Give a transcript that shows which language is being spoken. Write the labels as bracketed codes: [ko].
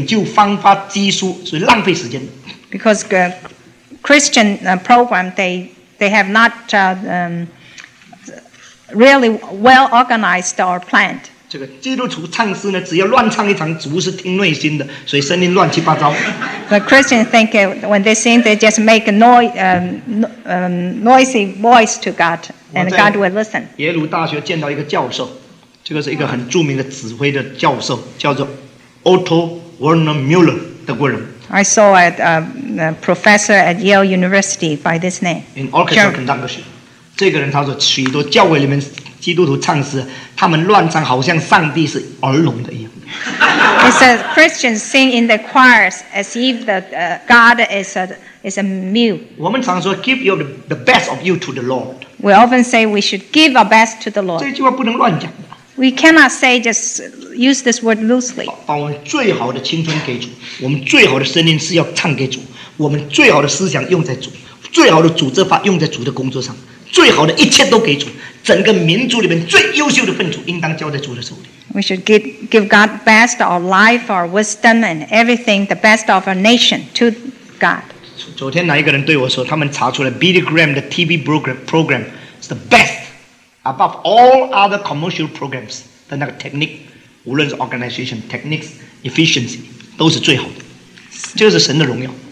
[en] Because Christian program, they have not really well organized or planned. [zh] 这个基督徒唱诗呢，只要乱唱一场，主是听内心的，所以声音乱七八糟。 [en] The Christians think when they sing, they just make a noisy voice to God, and God will listen. [zh] 耶鲁大学见到一个教授，这个是一个很著名的指挥的教授，叫做 Otto Werner Müller 的国人。 [en] I saw a professor at Yale University by this name. In orchestra conductorship. [zh] 这个人他说，许多教会里面。基督徒唱诗，他们乱唱，好像上帝是耳聋的一样。 [en] He says Christians sing in the choirs as if the God is a mute. [zh] 我们常说 [en] give your the best of you to the Lord. We often say we should give our best to the Lord. [zh] 这句话不能乱讲。 [en] We cannot say just use this word loosely. [zh] 把我们最好的青春给主，我们最好的声音是要唱给主，我们最好的思想用在主，最好的组织法用在主的工作上，最好的一切都给主，整个民族里面最优秀的分组应当交在主的手里。 [en] We should give God best our life, our wisdom, and everything, the best of our nation to God. [zh] 昨天哪一个人对我说，他们查出来 Billy Graham 的 [en] TV program is the best above all other commercial programs [zh] 的那个 technique， 无论是 [en] organization techniques efficiency [zh] 都是最好的，这是神的荣耀。